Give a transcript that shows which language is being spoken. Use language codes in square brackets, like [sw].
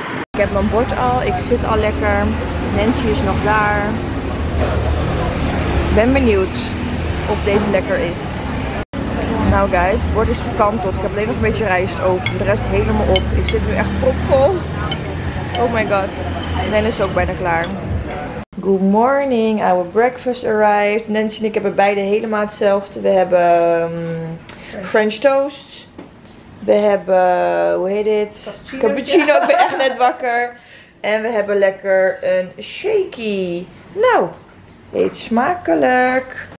[nl] Ik heb mijn bord al, ik zit al lekker. Nancy is nog daar. Ik ben benieuwd of deze lekker is. Nou guys, het bord is gekanteld. Ik heb alleen nog een beetje rijst over. De rest helemaal op. Ik zit nu echt propvol. [en] Oh my god. [nl] Nancy is ook bijna klaar. [en] Good morning, our breakfast arrived. [nl] Nancy en ik hebben beide helemaal hetzelfde. We hebben French toast. We hebben, hoe heet dit? Cappuccino, ik ben echt net wakker. En we hebben lekker een shaky. Nou, eet smakelijk.